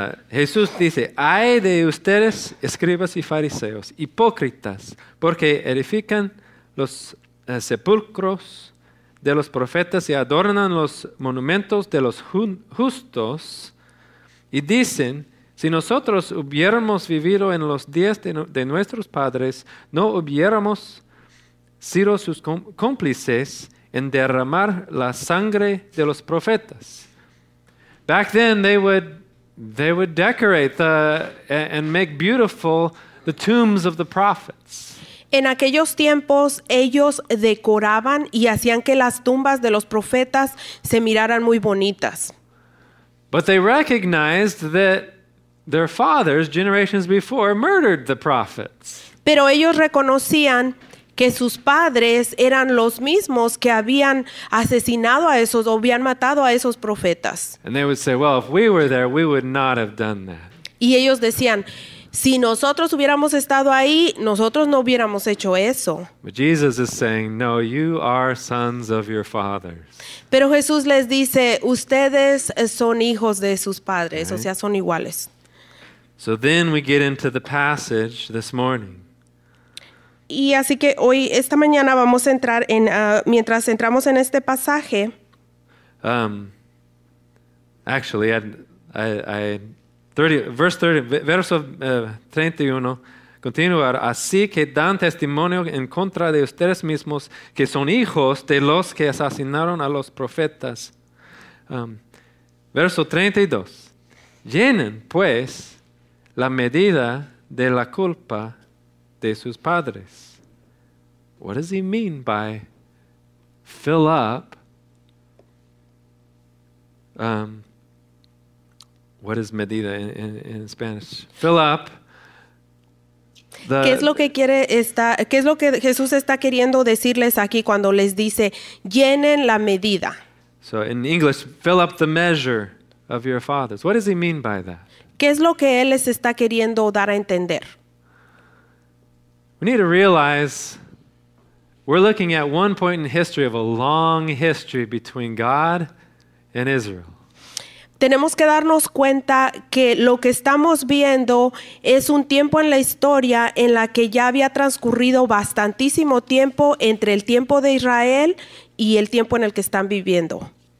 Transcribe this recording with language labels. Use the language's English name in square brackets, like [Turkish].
[Spanish] Jesús dice, ay de ustedes, escribas y fariseos, hipócritas, porque edifican los sepulcros de los profetas y adornan los monumentos de los justos, y dicen, si nosotros hubiéramos vivido en los días de nuestros padres, no hubiéramos sido sus cómplices en derramar la sangre de los profetas. [English] Back then they would decorate and make beautiful the tombs of the prophets. [Spanish] En aquellos tiempos, ellos decoraban y hacían que las tumbas de los profetas se miraran muy bonitas. [English] But they recognized that their fathers, generations before, murdered the prophets. [Spanish] Pero ellos reconocían que sus padres eran los mismos que habían asesinado a esos, o habían matado a esos profetas. [English] And they would say, well, if we were there, we would not have done that. [Spanish] Y ellos decían, Si nosotros hubiéramos estado ahí, nosotros no hubiéramos hecho eso. [English] But Jesus is saying, no, you are sons of your fathers. [Spanish] Pero Jesús les dice, ustedes son hijos de sus padres, okay. O sea, son iguales. [English] So then we get into the passage this morning. [Spanish] Y así que hoy, esta mañana, vamos a entrar en, mientras entramos en este pasaje. [English] Actually, I 30, verse 30, [Spanish] verso 31, continuar, así que dan testimonio en contra de ustedes mismos que son hijos de los que asesinaron a los profetas. Verso 32, llenen pues la medida de la culpa de sus padres. [English] What does he mean by fill up? What is medida in Spanish? Fill up. [Spanish] ¿Qué es lo que quiere esta? ¿Qué es lo que Jesús está queriendo decirles aquí cuando les dice llenen la medida? [English] So in English, fill up the measure of your fathers. What does he mean by that? [Spanish] ¿Qué es lo que él les está queriendo dar a entender? [English] We need to realize we're looking at one point in history of a long history between God and Israel. [Spanish] Tenemos que darnos cuenta que lo que estamos viendo es un tiempo en la historia en la que ya había transcurrido bastantísimo tiempo entre el tiempo de Israel y el tiempo en el que están viviendo.